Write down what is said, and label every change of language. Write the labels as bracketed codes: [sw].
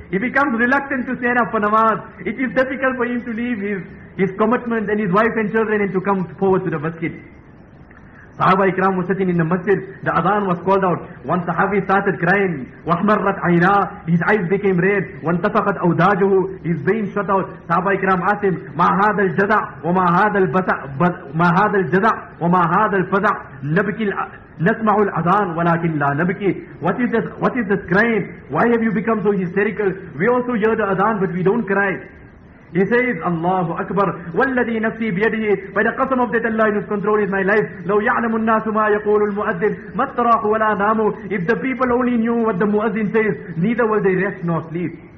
[en] He becomes reluctant to stand up for namaz. It is difficult for him to leave his commitment and his wife and children and to come forward to the masjid. Sahaba ikram was sitting in the masjid. The adhan was called out. One sahabi started crying. [ar] وَحْمَرَّتْ عَيْنَا [en] His eyes became red. [ar] وَانْتَفَقَتْ أَوْدَاجُهُ [en] His veins shut out. Sahaba ikram asked him, [ar] مَا هَذَا الْجَدَعْ وَمَا هَذَا الْفَزَعْ نَسْمَعُ الْأَذَانِ وَلَكِنْ لَا نَبْكِي [en] What is this crying? Why have you become so hysterical? We also hear the adhan, but we don't cry. He says, Allahu Akbar, [ar] وَالَّذِي نَفْسِي بِيَدِهِ [en] By the qasam of that Allah whose control is my life, [ar] لَوْ يَعْلَمُ النَّاسُ مَا يَقُولُ الْمُؤَذِّنُ مَتْتَرَاقُ وَلَا نَامُ [en] If the people only knew what the muazzin says, neither will they rest nor sleep.